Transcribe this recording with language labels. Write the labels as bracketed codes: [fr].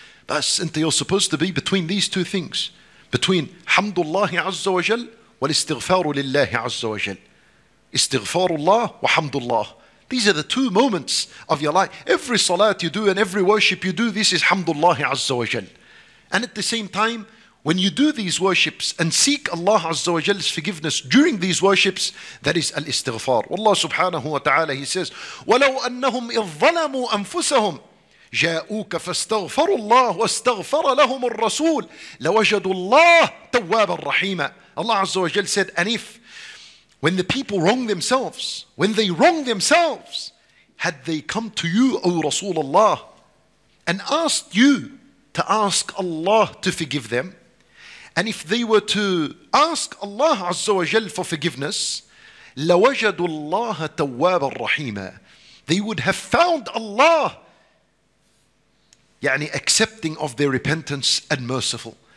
[en] Thus, you're supposed to be between these two things, between alhamdulillah azza wa jal, [ar] وَالْإِسْتِغْفَارُ لِلَّهِ عَزَّ وَجَلِ إِسْتِغْفَارُ اللَّهِ وَحَمْدُ اللَّهِ. [en] These are the two moments of your life. Every salat you do and every worship you do, this is [ar] حَمْدُ اللَّهِ عَزَّ. [en] And at the same time, when you do these worships and seek Allah Azza wa Jal's forgiveness during these worships, that is al-istighfar. Allah subhanahu wa ta'ala, He says, [ar] وَلَوْ أَنَّهُمْ إِذْ ظَلَمُوا أَنفُسَهُمْ جَاءُوكَ فَاسْتَغْفَرُوا اللَّهُ وَاسْتَغْفَرَ لَهُمُ الرَّسُولُ لَوَجَدُوا اللَّهُ تَوَّابًا رَحِيمًا. [en] Allah Azza wa Jal said, and if when the people wrong themselves, when they wrong themselves, had they come to you, O Rasulullah, and asked you to ask Allah to forgive them, and if they were to ask Allah Azza wa Jal for forgiveness, [ar] لَوَجَدُوا اللَّهَ تَوَّابًا رَحِيمًا, [en] they would have found Allah, يعني accepting of their repentance and merciful.